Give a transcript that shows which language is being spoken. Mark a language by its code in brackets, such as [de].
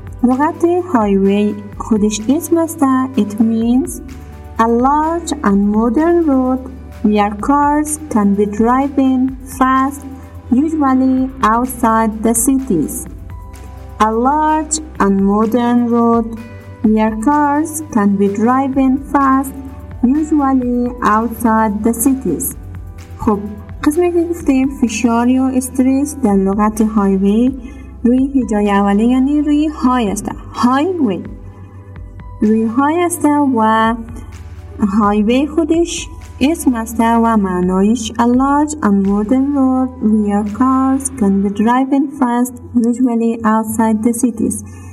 [fa] لغت highway خودش اسم است. [en] It means a large and modern road where cars can be driving fast, usually outside the cities. A large and modern road where cars can be driving fast, usually outside the cities. [fa] خب قسمی که گفتیم فشار یا استرس در لغت highway روی هجای اولی یعنی روی های است. highway روی های است و highway خودش اسم است و معنایش [en] a large and modern road where cars can be driving fast usually outside the cities.